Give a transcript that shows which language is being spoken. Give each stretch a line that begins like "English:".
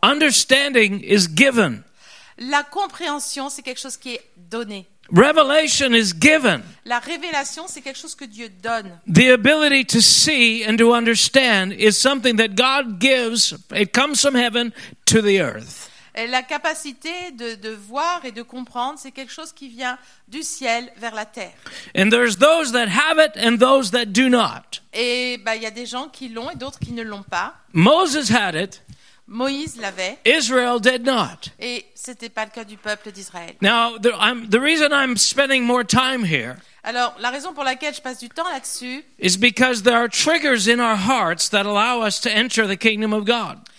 English: Understanding is given.
French: La compréhension, c'est quelque chose qui est donné.
English: Revelation is given.
French: La révélation, c'est quelque chose que Dieu donne.
English: The ability to see and to understand is something that God gives. It comes from heaven to the earth.
French: Et la capacité de voir et de comprendre, c'est quelque chose qui vient du ciel vers la terre.
English: And there's those that have it and those that do not.
French: Et ben, y a des gens qui l'ont et d'autres qui ne l'ont pas.
English: Moses had it.
French: Moïse l'avait.
English: Israel did not.
French: Et c'était pas le cas du peuple d'Israël.
English: Now, the reason I'm spending more time here.
French: Alors, la raison pour laquelle je passe du temps là-dessus.
English: Is because there are triggers in our hearts that allow us to enter the kingdom of God.